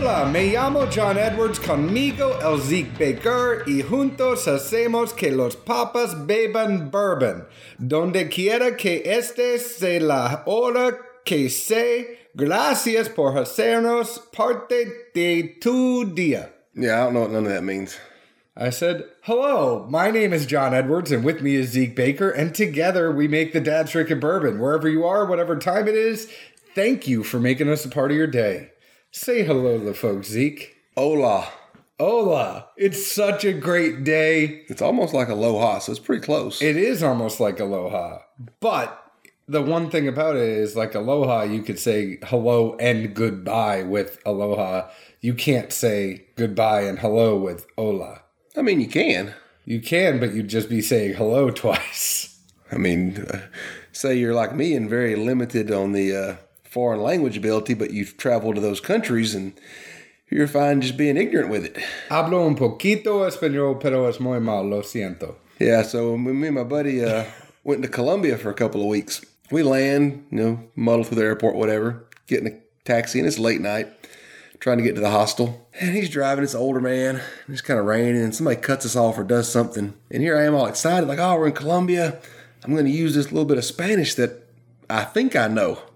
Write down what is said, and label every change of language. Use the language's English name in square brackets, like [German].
[Spanish] Me llamo John Edwards, conmigo el Zeke Baker, y juntos hacemos que los papas beban bourbon. Donde quiera que estés, se la hora que sé. Gracias por hacernos parte de tu día. [English] Yeah, I don't know what none of that means. I said, hello, my name is John Edwards, and with me is Zeke Baker, and together we make the Dad's Drinking Bourbon. Wherever you are, whatever time it is, thank you for making us a part of your day. Say hello to the folks, Zeke. [Spanish] Hola. [English] Hola. It's such a great day. It's almost like aloha, so it's pretty close. It is almost like aloha. But the one thing about it is, like aloha, you could say hello and goodbye with aloha. You can't say goodbye and hello with hola. I mean, you can. You can, but you'd just be saying hello twice. I mean, say you're like me and very limited on the foreign language ability, but you've traveled to those countries and you're fine just being ignorant with it. [Spanish] Hablo un poquito español, pero es muy mal, lo siento. [English] Yeah, so me and my buddy went to Colombia for a couple of weeks. We land, you know, muddle through the airport, whatever, get in a taxi, and it's late night, trying to get to the hostel. And he's driving, this older man, it's kind of raining, and somebody cuts us off or does something. And here I am all excited, like, oh, we're in Colombia. I'm going to use this little bit of Spanish that I think I know.